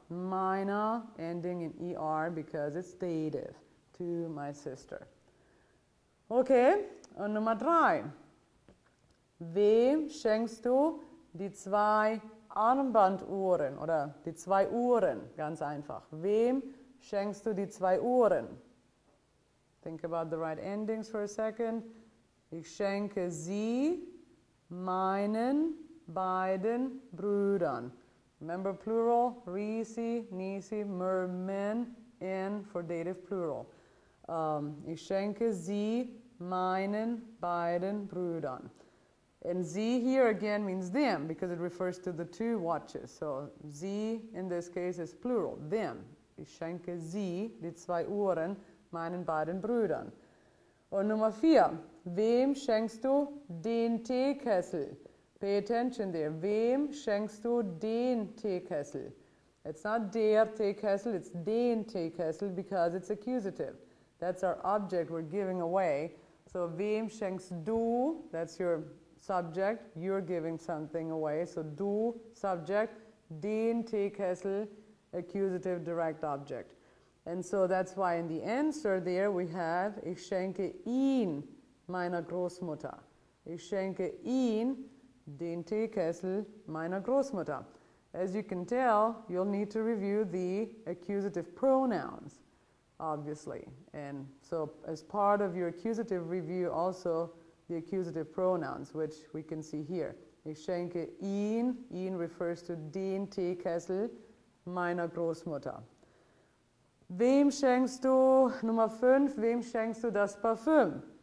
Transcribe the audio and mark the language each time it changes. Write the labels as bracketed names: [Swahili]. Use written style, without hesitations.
[English] Meiner, ending in er because it's dative, to my sister. [German] Okay, und Nummer drei. Wem schenkst du die zwei Armbanduhren oder die zwei Uhren, ganz einfach. Wem schenkst du die zwei Uhren? [English] Think about the right endings for a second. [German] Ich schenke sie meinen beiden Brüdern. [English] Remember plural, Risi, Nisi, Mermen, N for dative plural. [German] Ich schenke sie meinen beiden Brüdern. [English] And Z here again means them because it refers to the two watches. So Z in this case is plural, them. [German] Ich schenke sie, die zwei Uhren, meinen beiden Brüdern. Und Nummer vier, wem schenkst du den Teekessel? [English] Pay attention there. [German] Wem schenkst du den Teekessel? [English] It's not der Teekessel, it's den Teekessel because it's accusative. That's our object we're giving away. So [German] wem schenkst du, [English] that's your subject, you're giving something away. So du, subject, den Teekessel, accusative, direct object. And so that's why in the answer there we have, [German] ich schenke ihn meiner Großmutter. Ich schenke ihn den Teekessel meiner Großmutter. [English] As you can tell, you'll need to review the accusative pronouns, obviously. And so as part of your accusative review also, the accusative pronouns, which we can see here. [German] Ich schenke ihn, ihn [English] refers to [German] den Teekessel meiner Großmutter. Wem schenkst du, Nummer 5, wem schenkst du das Parfüm?